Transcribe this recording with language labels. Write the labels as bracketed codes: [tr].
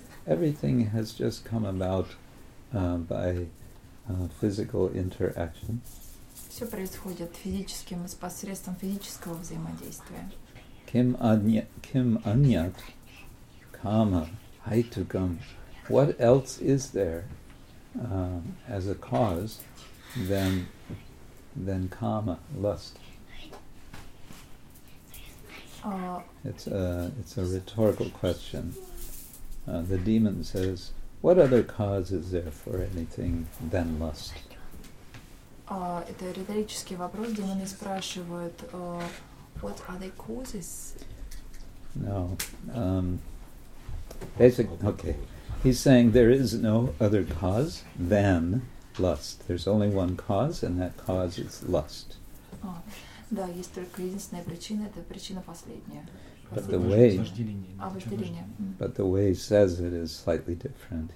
[en] Everything has just come about by physical interaction. [ru] Всё происходит физическим посредством физического взаимодействия. [en] Kim anyat, kama, haitukam, what else is there as a cause than kama, lust? It's a rhetorical question. The demon says, what other cause is there for anything than lust? [ru] Это риторический вопрос, демоны спрашивают, [en] what are the causes? No. Basically, okay. He's saying there is no other cause than lust. There's only one cause, and that cause is lust. [ru] Да, есть только единственная причина, это причина последняя. [en] But the way... [ru] Вожделение. [en] But the way he says it is slightly different.